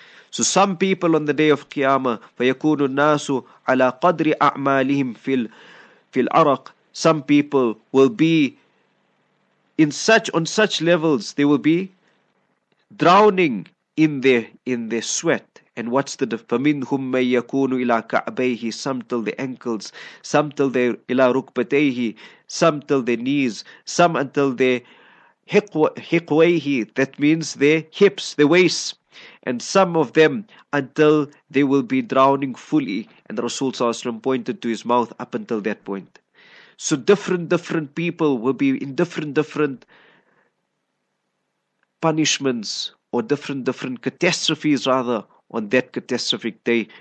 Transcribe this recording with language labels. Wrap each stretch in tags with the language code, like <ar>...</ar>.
<en>So some people on the day of Qiyamah,</en> <ar>فَيَكُونُ النَّاسُ عَلَىٰ قَدْرِ أَعْمَالِهِمْ فِي الْعَرَقِ.</ar> <en>Some people will be on such levels, they will be drowning in their sweat. And what's the</en> <ar>فَمِنْهُمْ مَنْ يَكُونُ إِلَىٰ كَعْبَيْهِ.</ar> <en>Some till the ankles, some till the</en> <ar>إِلَىٰ رُكْبَتَيْهِ,</ar> <en>some till the knees, some until the</en> <ar>هِقْوَيْهِ,</ar> <en>that means their hips, their waist. And some of them until they will be drowning fully. And the Rasul Sallallahu Alaihi Wasallam pointed to his mouth up until that point. So different people will be in different punishments, or different catastrophes rather, on that catastrophic day.</en>